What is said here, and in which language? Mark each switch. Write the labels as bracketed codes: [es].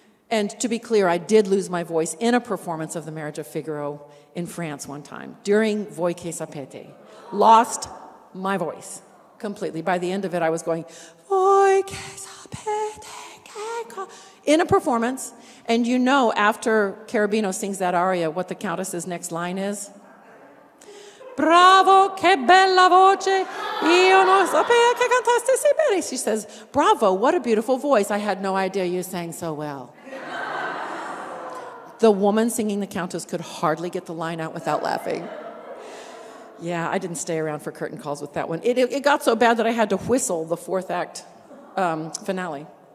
[en] And to be clear, I did lose my voice in a performance of The Marriage of Figaro in France one time during Voi che sapete. Lost my voice completely. By the end of it, I was going, Voi che sapete, in a performance. And you know, after Cherubino sings that aria, what the Countess's next line is? [it] Bravo, che bella voce, io non sapevo che cantaste si bene. [en] She says, bravo, what a beautiful voice. I had no idea you sang so well. The woman singing the Countess could hardly get the line out without laughing. Yeah, I didn't stay around for curtain calls with that one. It got so bad that I had to whistle the fourth act finale.